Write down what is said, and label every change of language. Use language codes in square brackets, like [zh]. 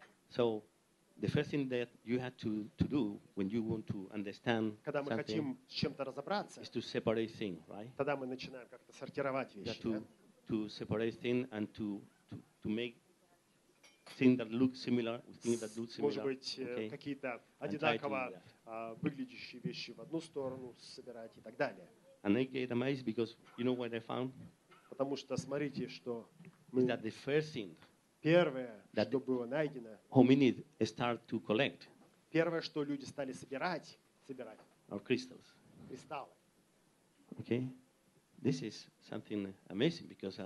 [en] So the first thing that you had to do when you want to understand [ru] когда мы [en] something [ru] хотим с чем-то разобраться, [en] is to separate things, right? [ru] Тогда мы начинаем как-то сортировать вещи. [en] To separate things and to make things that look similar, things that look similar. [ru] Может быть, [en] okay? [ru] Какие-то одинаково выглядящие вещи в одну сторону собирать и так далее. [en] And I get amazed because you know what I found? [ru] Потому что смотрите, что мы [en] that the first thing [ru] первое, что было найдено, [en] hominid start to collect. [ru] Первое, что люди стали собирать, [en] our crystals. [ru] Кристаллы. [en] Okay, this is something amazing because